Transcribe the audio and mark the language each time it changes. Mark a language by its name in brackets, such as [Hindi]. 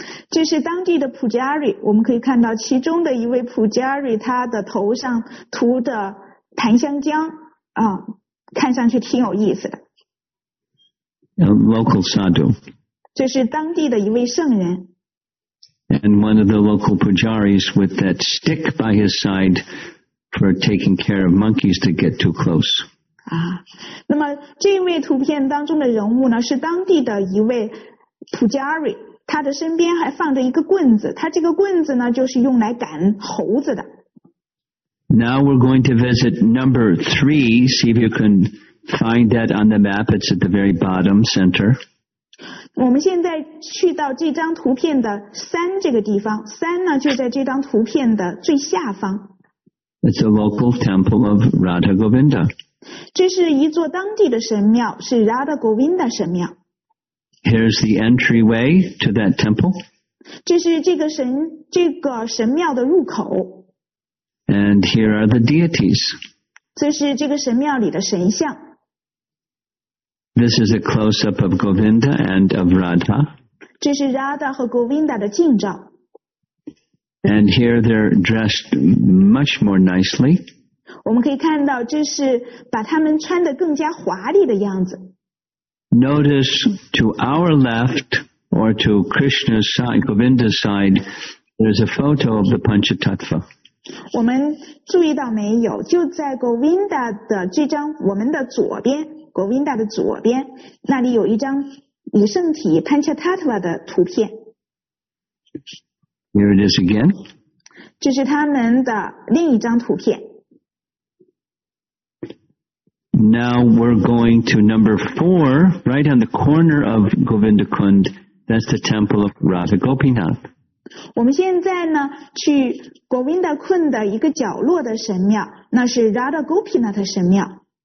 [Chinese] 这是当地的 pujari, 我们可以看到其中的一位 pujari, 他的头上涂的檀香浆、看上去挺有意思的。 [English] A local sadhu. [Chinese] 这是当地的一位圣人。 [English] And one of the local pujaris with that stick by his side,for taking care of monkeys to get too close. [Chinese] 那么这位图片当中的人物呢是当地的一位 Pujari, 他的身边还放着一个棍子，他这个棍子呢就是用来赶猴子的。 [English] Now we're going to visit number three, see if you can find that on the map, it's at the very bottom center. [Chinese] 我们现在去到这张图片的三这个地方，三呢就在这张图片的最下方。 [English] It's a local temple of Radha Govinda. [Chinese] 这是一座当地的神庙，是 Radha Govinda 神庙。 [English] Here's the entryway to that temple. [Chinese] 这是这个神庙的入口。 [English] And here are the deities. [Chinese] 这是这个神庙里的神像。 [English] This is a close-up of Govinda and of Radha. [Chinese] 这是 Radha 和 Govinda 的近照。 [English] And here they're dressed much more nicely. [Chinese] 我们可以看到这是把他们穿得更加华丽的样子。 [English] Notice to our left or to Krishna's side, Govinda's side, there's a photo of the Panchatattva. [Chinese] 我们注意到没有，就在 Govinda 的这张我们的左边 ,Govinda 的左边那里有一张女圣体 Panchatattva 的图片。 [English] Here it is again. [Chinese] 这是他们的另一张图片。 [English] Now we're going to number four, right on the corner of Govindakund. That's the temple of Radha Gopinath. [Chinese] 我们现在呢去 Govindakund 的一个角落的神庙，那是 Radha Gopinath 的神庙。